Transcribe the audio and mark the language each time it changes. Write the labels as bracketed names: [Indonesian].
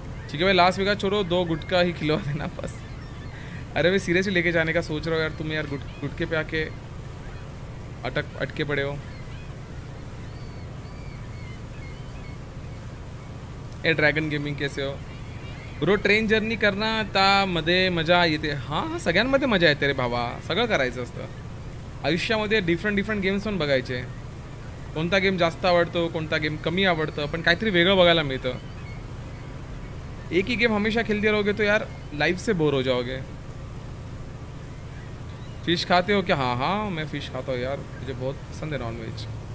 [Hindi] ठीक है भाई, लास्ट वीक छोड़ो, दो गुटका ही खिलवा देना बस। अरे भाई सीरियसली लेके जाने का सोच रहा हूँ यार, तुम यार गुटके पे आके अटके पड़े हो। ए ड्रैगन गेमिंग कैसे हो ब्रो, [Marathi] ट्रेन जर्नी करना ता मध्ये मजा येते, हाँ सगळ्यांमध्ये मजा येते रे भावा, सगळं करायचं असतं आयुष्यामध्ये, डिफरंट गेम्स पण बघायचे, कोणता गेम जास्त आवडतो कोणता गेम कमी आवडतं पण काहीतरी वेगळं बघायला मिळतं। [Hindi] एक ही गेम हमेशा खेळते रहोगे तो यार लाईफ से बोर हो जाओगे। फिश खाते हो क्या? हाँ हाँ मैं फिश खाता हूँ यार, मुझे बहुत पसंद है नॉनवेज।